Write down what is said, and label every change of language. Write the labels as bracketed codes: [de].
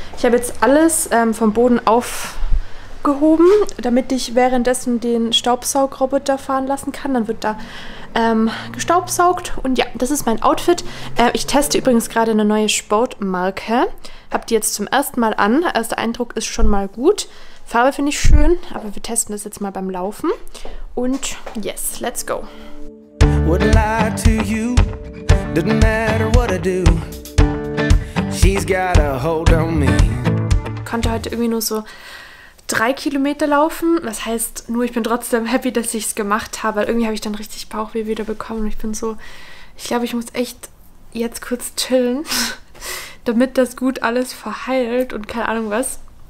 [de] Ich habe jetzt alles vom Boden aufgehoben, damit ich währenddessen den Staubsaugroboter fahren lassen kann. Dann wird da gestaubsaugt und ja, das ist mein Outfit. Ich teste übrigens gerade eine neue Sportmarke. Hab die jetzt zum ersten Mal an. Erster Eindruck ist schon mal gut. Farbe finde ich schön, aber wir testen das jetzt mal beim Laufen. [en] Und yes, let's go. Would lie to you, didn't matter what I do. She's got a hold on me. [de] Konnte heute irgendwie nur so 3 Kilometer laufen, das heißt nur, ich bin trotzdem happy, dass ich es gemacht habe, weil irgendwie habe ich dann richtig Bauchweh wieder bekommen und ich bin so, ich glaube, ich muss echt jetzt kurz chillen, damit das gut alles verheilt und keine Ahnung was.